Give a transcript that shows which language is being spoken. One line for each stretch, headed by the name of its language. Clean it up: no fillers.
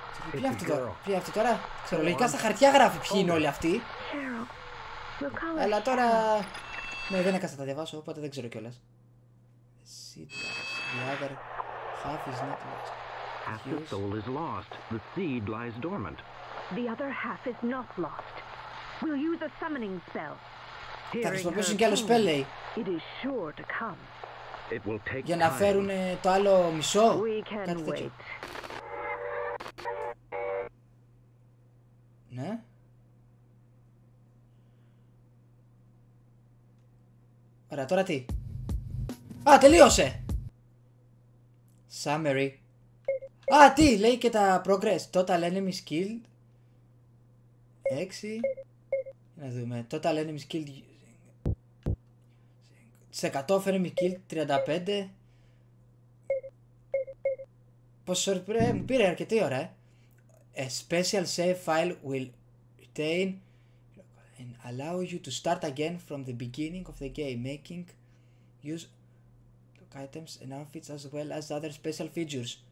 Greek: Ποια αυτή τώρα, ποια αυτή τώρα, ξέρω, λογικά στα χαρτιά γράφει ποιοι είναι όλοι αυτοί. Αλλά τώρα, ναι δεν έκανα να τα διαβάσω, οπότε δεν ξέρω κιόλας. Εσύ τώρα,
English: half is not lost. Half your soul is lost, the seed lies dormant. The other half is not lost. We'll use a summoning spell.
Greek: Θα χρησιμοποιήσουν κι άλλο spell, λέει.
English: It is sure to come. It will take time.
Greek: Για να φέρουν το άλλο μισό, κάτι τέτοιο. Ναι. Ωραία, τώρα τι. Α, τελείωσε! Summary. Α, τι, λέει και τα progress.
English: Total enemy skilled. 6.
Greek: Να δούμε.
English: Total enemy skilled. 100 enemy killed, 35.
Greek: Πόσο ώρα μου πήρε, αρκετή ώρα.
English: A special save file will retain and allow you to start again from the beginning of the game, making use of items and outfits as well as other special features.